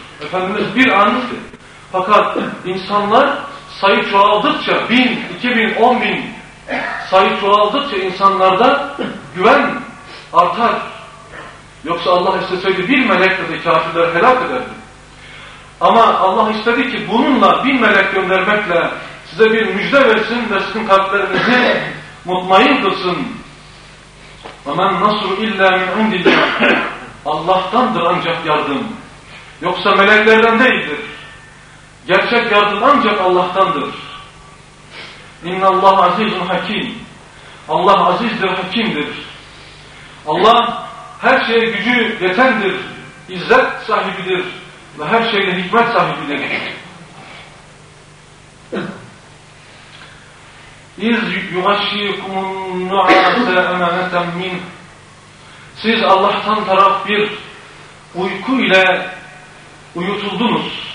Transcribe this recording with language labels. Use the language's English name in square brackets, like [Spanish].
[Turkish] Efendimiz bir anlıktı. Fakat insanlar sayı çoğaldıkça, 1000, 2000, 10 bin sayı çoğaldıkça insanlarda güven artar. Yoksa Allah isteseydi bir melekle de kafirleri helak ederdi. Ama Allah istedi ki bununla, 1000 melek göndermekle size bir müjde versin ve sizin kalplerinizi mutmain kılsın. [Arabic] وَمَنْ نَصْرُ اِلَّا مِنْ عِنْدِ اللّٰهِ [Turkish] Allah'tandır ancak yardım. Yoksa meleklerden değildir. Gerçek yardım ancak Allah'tandır. [Arabic] اِنَّ اللّٰهَ عَز۪يزٌ حَك۪يمٌ [Turkish] Allah azizdir, hakimdir. Allah her şeye gücü yetendir, izzet sahibidir ve her şeyle hikmet sahibidir. [Arabic] اِذْ يُغَشِّيكُمُ النُّعَاسَ اَمَانَةً مِنْ [Turkish] Siz Allah'tan taraf bir uyku ile uyutuldunuz.